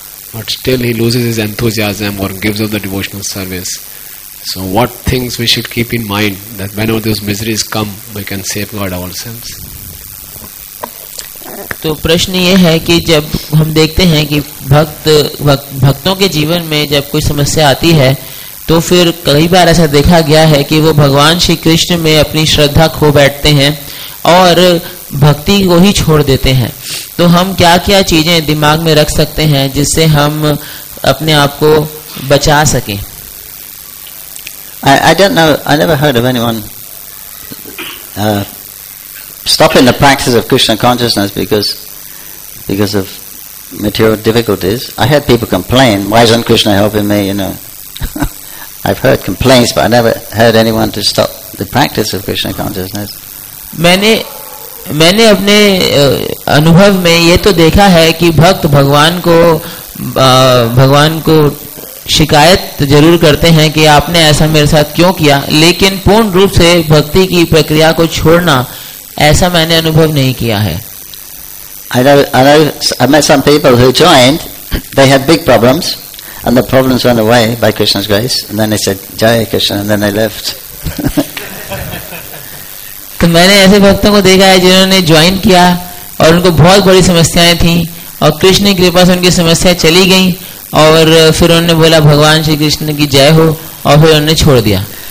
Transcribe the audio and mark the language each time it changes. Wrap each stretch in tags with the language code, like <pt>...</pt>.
<en>But still he loses his enthusiasm or gives up the devotional service. So what things we should keep in mind that whenever those miseries come, we can safeguard ourselves?</en> <hi>तो प्रश्न ये है कि जब हम देखते हैं कि भक्त भक्तों के जीवन में जब कोई समस्या आती है तो फिर कई बार ऐसा देखा गया है कि वो भगवान श्री कृष्ण में अपनी श्रद्धा खो बैठते हैं और भक्ति को ही छोड़ देते हैं. तो हम क्या क्या चीजें दिमाग में रख सकते हैं जिससे हम अपने आप को बचा सकें?</hi> <en>I don't know, I never heard of anyone stopping the practice of Krishna consciousness because of material difficulties. I heard people complain, why isn't Krishna helping me, you know. I've heard complaints, but I never heard anyone to stop the practice of Krishna consciousness.</en> <hi>मैंने अपने अनुभव में ये तो देखा है कि भक्त भगवान को शिकायत जरूर करते हैं कि आपने ऐसा मेरे साथ क्यों किया, लेकिन पूर्ण रूप से भक्ति की प्रक्रिया को छोड़ना ऐसा मैंने अनुभव नहीं किया है.</hi> <en>I met some people who joined, they had big problems and the problems went away by Krishna's grace and then they said Jai Krishna and then they left.</en> <hi>तो मैंने ऐसे भक्तों को देखा है जिन्होंने ज्वाइन किया और उनको बहुत बड़ी समस्याएं थी और कृष्ण की कृपा से उनकी समस्या चली गई और फिर उन्होंने बोला भगवान श्री कृष्ण की जय हो और फिर उन्होंने छोड़ दिया.</hi>